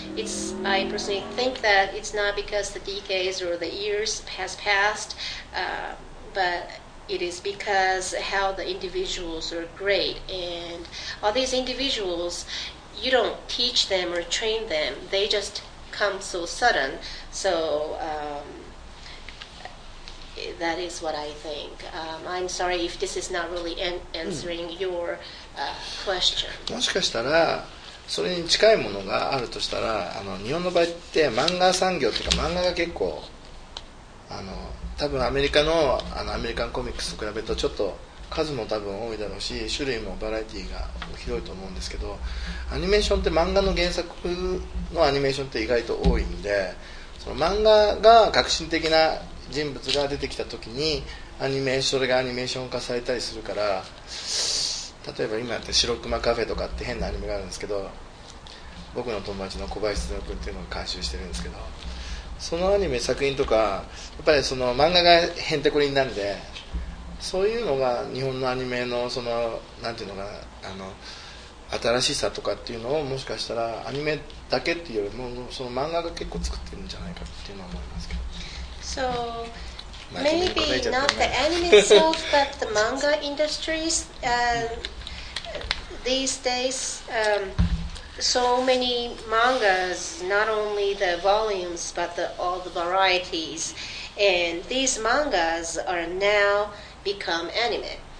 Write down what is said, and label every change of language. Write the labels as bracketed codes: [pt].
[en] It's I personally think that it's not because the decades or the years has passed, but it is because how the individuals are great and all these individuals, you don't teach them or train them. They just come so sudden, so that is what I think. I'm sorry if this is not really answering your question. [ja] もしかしたらそれに近いものがあるとしたら、あの日本の場合って漫画産業というか漫画が結構あの多分アメリカの、 あのアメリカンコミックスと比べるとちょっと数も多分多いだろうし、種類もバラエティが広いと思うんですけど、アニメーションって漫画の原作のアニメーションって意外と多いんで、その漫画が革新的な人物が出てきた時にアニメーションがアニメーション化されたりするから、例えば今やって白熊カフェとかって変なアニメがあるんですけど、僕の友達の小林津田君っていうのが監修してるんですけど、そのアニメ作品とかやっぱりその漫画がヘンテコリンなんで、そういうのが日本のアニメのそのなんていうのかな、あの新しさとかっていうのをもしかしたらアニメだけっていうよりもその漫画が結構作ってるんじゃないかっていうのは思いますけど。 [en] So maybe not the anime itself but the manga industries、these days、so many mangas not only the volumes but the, all the varieties and these mangas are now become anime.